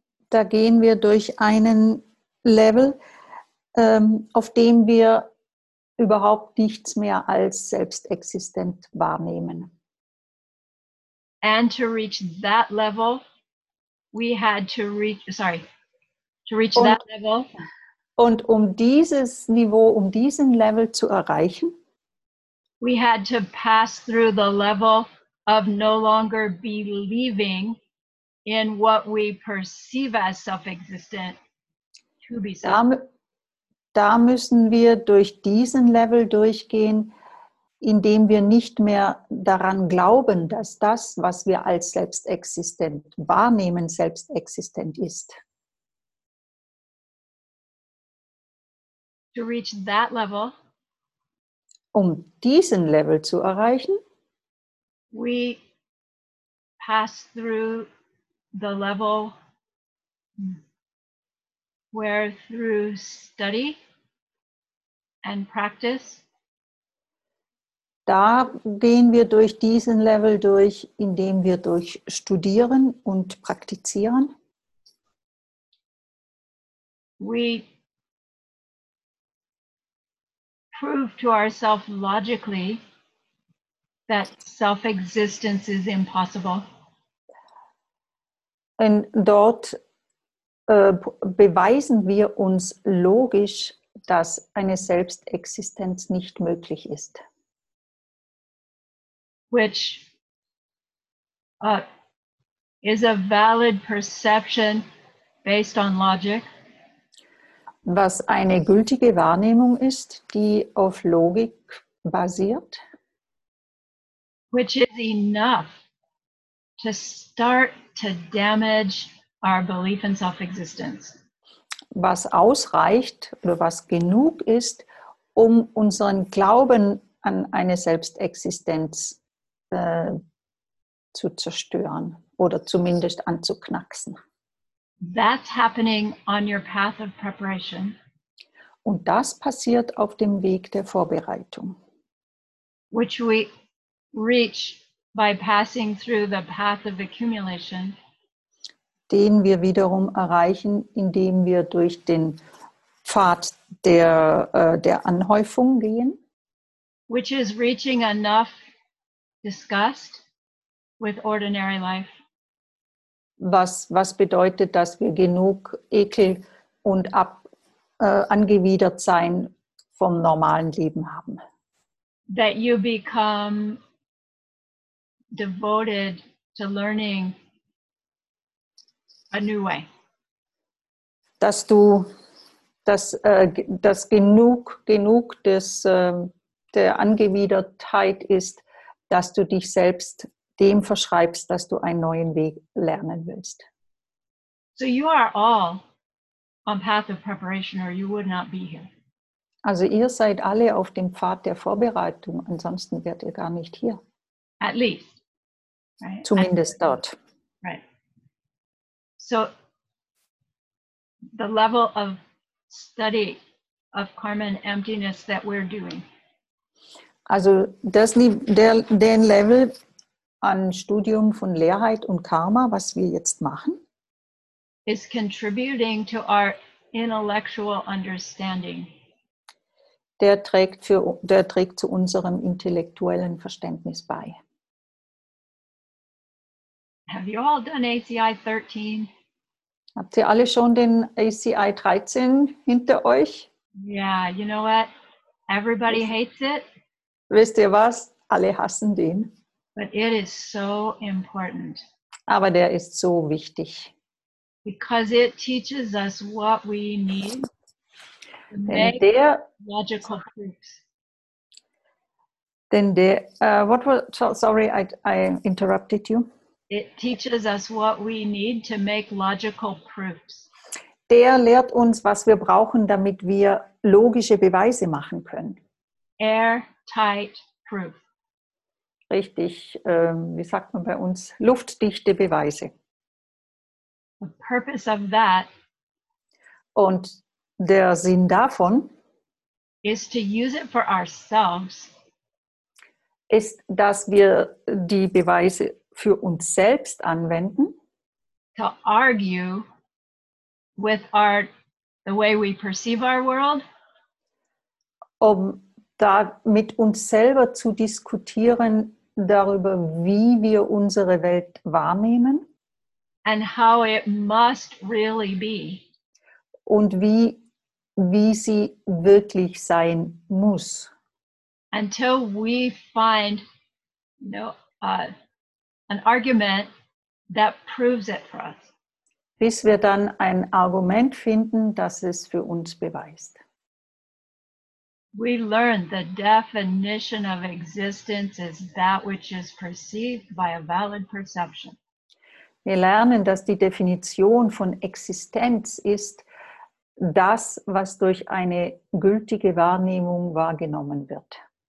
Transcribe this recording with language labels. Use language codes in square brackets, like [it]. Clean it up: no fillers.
[de] Da gehen wir durch einen Level, auf dem wir überhaupt nichts mehr als selbstexistent wahrnehmen. [en] And to reach that level, we had to reach, that level. [de] Und um dieses Niveau, um diesen Level zu erreichen, [en] we had to pass through the level of no longer believing in what we perceive as self-existent to be self. [de] Da müssen wir durch diesen Level durchgehen, indem wir nicht mehr daran glauben, dass das, was wir als selbstexistent wahrnehmen, selbstexistent ist. [en] To reach that level, [de] um diesen Level zu erreichen, [en] we pass through the level where through study and practice. [de] Da gehen wir durch diesen Level durch, indem wir durch Studieren und Praktizieren. [en] We prove to ourselves logically that self-existence is impossible. [de] Und dort beweisen wir uns logisch, dass eine Selbstexistenz nicht möglich ist. [en] Which is a valid perception based on logic. [de] Was eine gültige Wahrnehmung ist, die auf Logik basiert. [en] Which is enough to start to damage our belief in self-existence. [de] Was ausreicht oder was genug ist, um unseren Glauben an eine Selbstexistenz zu zerstören oder zumindest anzuknacksen. [en] That's happening on your path of preparation. [de] Und das passiert auf dem Weg der Vorbereitung. [en] which we reach by passing through the path of accumulation, [de] den wir wiederum erreichen, indem wir durch den Pfad der Anhäufung gehen, [en] which is reaching enough disgust with ordinary life. [de] Was bedeutet, dass wir genug Ekel und angewidert sein vom normalen Leben haben? [en] That you become devoted to learning a new way. [de] Dass du dass genug der Angewidertheit ist, dass du dich selbst dem verschreibst, dass du einen neuen Weg lernen willst. [en] So you are all on path of preparation, or you would not be here. [de] Also ihr seid alle auf dem Pfad der Vorbereitung, ansonsten wärt ihr gar nicht hier. [en] At least. Right? [de] Zumindest at dort. [en] Right. So the level of study of karma and emptiness that we're doing. [de] Also das den Level an Studium von Leerheit und Karma, was wir jetzt machen, [en] is contributing to our intellectual understanding. [de] Der trägt zu unserem intellektuellen Verständnis bei. [en] Have you all done ACI 13? [de] Habt ihr alle schon den ACI 13 hinter euch? [en] Yeah, you know what? Everybody hates it. [de] Wisst ihr was? Alle hassen den. [en] But it is so important. [de] Aber der ist so wichtig. [en] Because it teaches us what we need. It teaches us what we need to make logical proofs. [de] Der lehrt uns, was wir brauchen, damit wir logische Beweise machen können. [en] Airtight proof. [de] Richtig, wie sagt man bei uns? Luftdichte Beweise. [en] The purpose of that. [de] Und der Sinn davon [en] is to use it for ourselves, [de] ist, dass wir die Beweise für uns selbst anwenden, [en] to argue with the way we perceive our world, [de] um da mit uns selber zu diskutieren darüber, wie wir unsere Welt wahrnehmen [en] and how it must really be, [de] und wie sie wirklich sein muss. [en] Until we find an argument that proves it for us. [de] Bis wir dann ein Argument finden, das es für uns beweist. [en] We learn the definition of existence is that which is perceived by a valid perception. [de] Wir lernen, dass die Definition von Existenz ist, das, was durch eine gültige Wahrnehmung wahrgenommen wird.